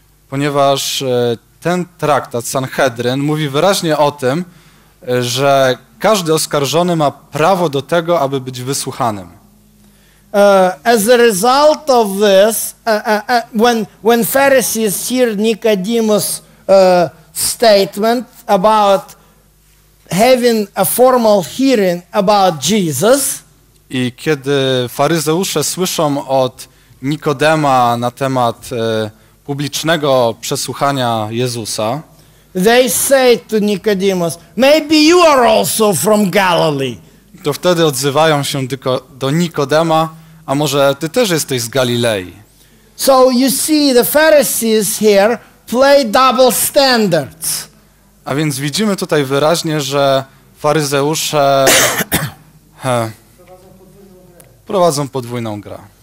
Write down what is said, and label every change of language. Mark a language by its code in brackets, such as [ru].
[pl] Ponieważ ten traktat Sanhedrin mówi wyraźnie o tym, że każdy oskarżony ma prawo do tego, aby być wysłuchanym. [en] As a result of this, when Pharisees hear Nicodemus' statement about having a formal hearing about Jesus, [pl] i kiedy faryzeusze słyszą od Nikodema na temat publicznego przesłuchania Jezusa. [en] They say to Nicodemus, maybe you are also from Galilee. [pl] To wtedy odzywają się tylko do Nikodema, a może ty też jesteś z Galilei. [en] So you see the Pharisees here play double standards. [pl] A więc widzimy tutaj wyraźnie, że faryzeusze prowadzą podwójną grę.